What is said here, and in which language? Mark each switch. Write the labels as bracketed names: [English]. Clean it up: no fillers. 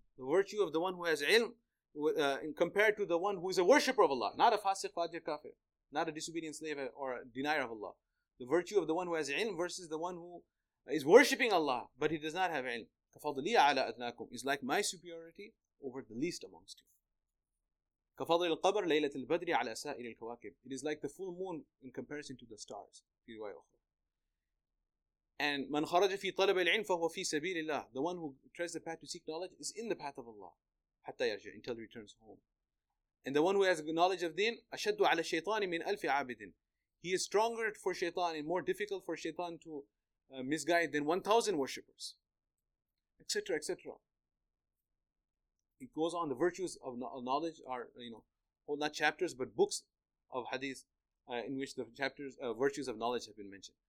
[English] The virtue of the one who has ilm compared to the one who is a worshipper of Allah, not a fasiq, fajir, kafir, not a disobedient slave or a denier of Allah. The virtue of the one who has ilm versus the one who is worshipping Allah, but he does not have ilm. [Arabic] كَفَضْلِيَ عَلَىٰ أَدْنَاكُمْ [English] is like my superiority over the least amongst you. [Arabic] كفضل القبر ليلة البدر على سائر الكواكب. [English] It is like the full moon in comparison to the stars. [Arabic] في رواية أخرى. And من خرج في طلب العلم فهو في سبيل الله. [English] The one who treads the path to seek knowledge is in the path of Allah. [Arabic] حتى يرجع [English] until he returns home. And the one who has knowledge of deen [Arabic] أشد على الشيطان من ألف عابد. [English] He is stronger for shaitan and more difficult for shaitan to misguide than 1,000 worshippers. Etc. Etc. It goes on. The virtues of knowledge are, you know, well, not chapters but books of hadith in which the chapters virtues of knowledge have been mentioned.